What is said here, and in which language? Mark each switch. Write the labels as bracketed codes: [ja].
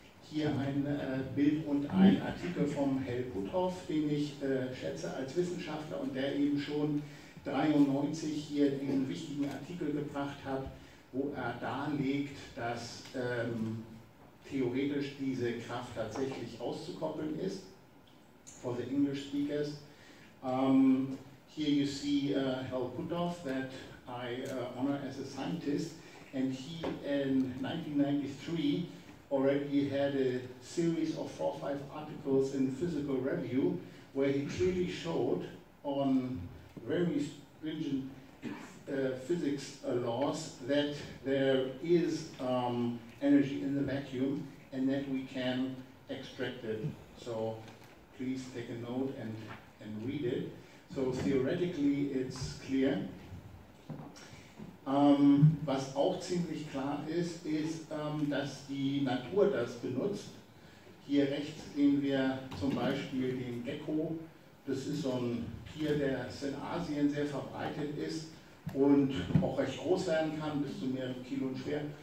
[de] Hier ein Bild und ein Artikel vom Helmut Hoff, den ich schätze als Wissenschaftler und der eben schon 1993 hier diesen wichtigen Artikel gebracht hat, wo er darlegt, dass theoretisch diese Kraft tatsächlich auszukoppeln ist, [en] for the English speakers. Here you see Hal Puthoff, that I honor as a scientist, and he in 1993 already had a series of 4 or 5 articles in Physical Review, where he clearly showed on very stringent physics laws that there is energy in the vacuum and that we can extract it. So please take a note and read it. So theoretically it's clear. [de] Was auch ziemlich klar ist, ist, dass die Natur das benutzt. Hier rechts sehen wir zum Beispiel den Gecko. Das ist so ein Tier, der in Asien sehr verbreitet ist und auch recht groß werden kann, bis zu mehreren Kilo schwer.